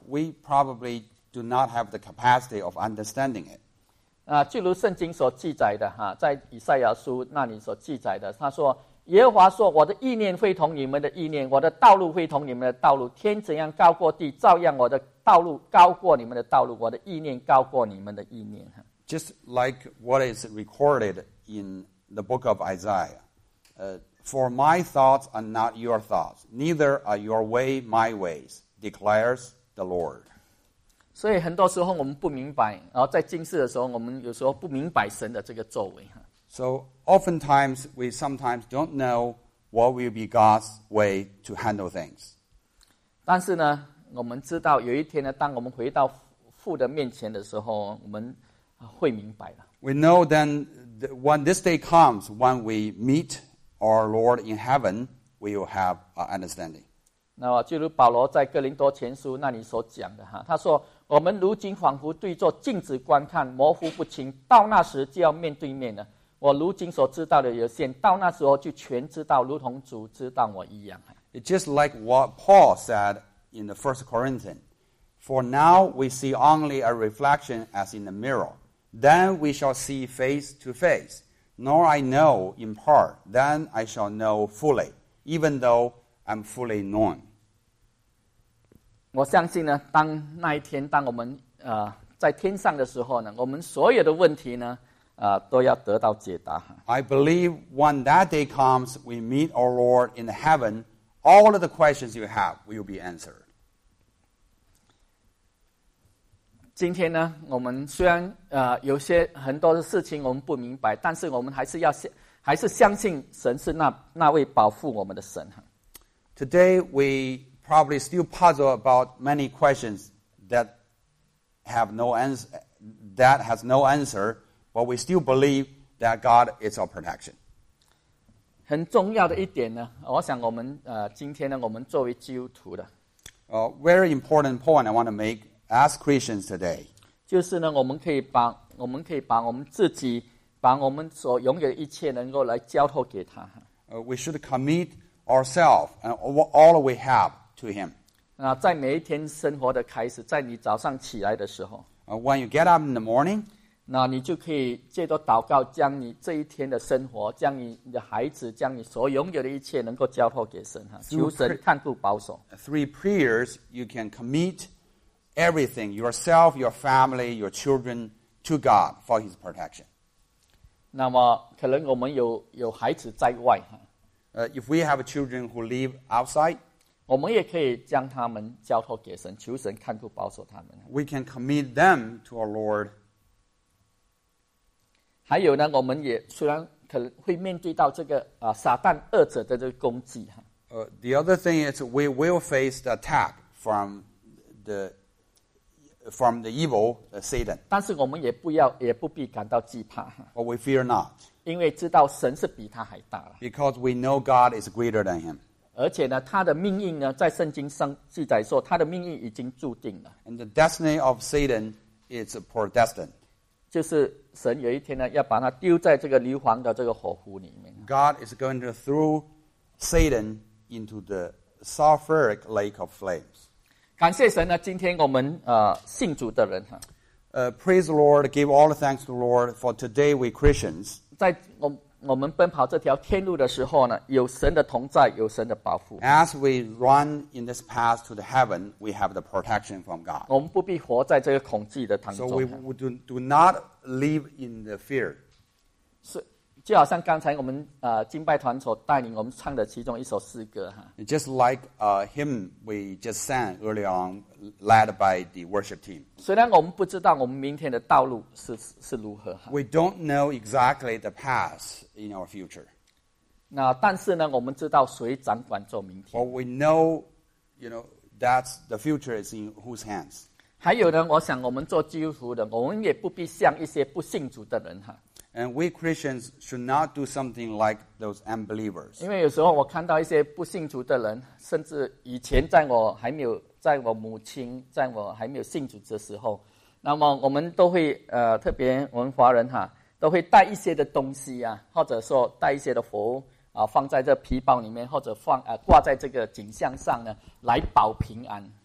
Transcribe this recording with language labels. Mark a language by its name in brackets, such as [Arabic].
[English] We probably do not have the capacity of understanding it. [Chinese] 就如圣经所记载的在以赛亚书那里所记载的他说耶和华说我的意念会同你们的意念我的道路会同你们的道路天怎样高过地照样我的道路高过你们的道路我的意念高过你们的意念 [English] Just like what is recorded in the book of Isaiah For my thoughts are not your thoughts Neither are your way my ways declares the Lord [Chinese] 所以很多时候我们不明白然后在今世的时候我们有时候不明白神的这个作为 [English] So oftentimes, we sometimes don't know what will be God's way to handle things. [Chinese] 但是呢，我们知道有一天呢，当我们回到父的面前的时候，我们会明白了。 [English] We know then when this day comes, when we meet our Lord in heaven, we will have our understanding. [Chinese] 那么，就如保罗在哥林多前书那里所讲的哈，他说。我们如今仿佛对着镜子观看，模糊不清。到那时就要面对面了。我如今所知道的有限，到那时候就全知道，如同主知道我一样。 [English] It's just like what Paul said in the First Corinthians. For now we see only a reflection as in a mirror. Then we shall see face to face. Nor I know in part, then I shall know fully, even though I'm fully known. [Chinese] 我相信呢，当那一天，当我们在天上的时候呢，我们所有的问题呢，都要得到解答。 [English] I believe when that day comes, we meet our Lord in heaven, all of the questions you have will be answered. [Chinese] 今天呢，我们虽然有些很多的事情我们不明白，但是我们还是相信神是那位保护我们的神。 [English] Today we probably still puzzle about many questions that have no answer, that has no answer, but we still believe that God is our protection. [Chinese] 很重要的一点呢，我想我们今天呢，我们作为基督徒的 [English] very important point I want to make as Christians today. [Chinese] 就是呢，我们可以把我们自己，把我们所拥有的一切能够来交托给他。 [English] We should commit ourselves and all we have to Him. [Chinese] 在每一天生活的开始，在你早上起来的时候。 [English] When you get up in the morning, [Chinese] 那你就可以借着祷告，将你这一天的生活，将你的孩子，将你所拥有的一切能够交托给神，求神看顾保守。 [English] Three prayers, you can commit everything, yourself, your family, your children, to God for His protection. [Chinese] 那么可能我们有孩子在外。 [English] If we have children who live outside, [Chinese] 我们也可以将他们交托给神，求神看顾保守他们。 [English] We can commit them to our Lord. [Chinese] 还有呢，我们也虽然可能会面对到这个撒旦恶者的这个攻击。 [English] The other thing is we will face the attack from the evil Satan. [Chinese] 但是我们也不必感到惧怕。 [English] But we fear not. [Chinese] 因为知道神是比他还大了。 [English] Because we know God is greater than him. [Chinese] 而且呢，他的命运呢，在圣经上记载说，他的命运已经注定了。 [English] And the destiny of Satan is predestined. [Chinese] 就是神有一天呢，要把他丢在这个硫磺的这个火湖里面。 [English] God is going to throw Satan into the sulfuric lake of flames. [Chinese] 感谢神呢，今天我们信主的人 [English] praise the Lord, give all the thanks to the Lord for today we Christians. [Chinese] 在我们奔跑这条天路的时候呢，有神的同在，有神的保护。 [English] As we run in this path to the heaven, we have the protection from God. [Chinese] 我们不必活在这个恐惧的当中。 [English] So we do not live in the fear. [Chinese] 是，就好像刚才我们敬拜团所带领我们唱的其中一首诗歌哈。 [English] Just like a hymn we just sang early on, led by the worship team. [Chinese] 虽然我们不知道我们明天的道路是如何哈。 [English] We don't know exactly the path in our future. [Chinese] 那但是呢，我们知道谁掌管着明天。 [English] Well, we know, you know, that the future is in whose hands. [Chinese] 还有呢，我想我们做基督徒的，我们也不必像一些不信主的人哈。 [English] And we Christians should not do something like those unbelievers. [Chinese] 因为有时候我看到一些不信主的人，甚至以前在我母亲，在我还没有信主的时候，那么我们都会特别我们华人哈，都会带一些的东西啊，或者说带一些的佛放在这皮包里面，或者放挂在这个颈项上呢，来保平安。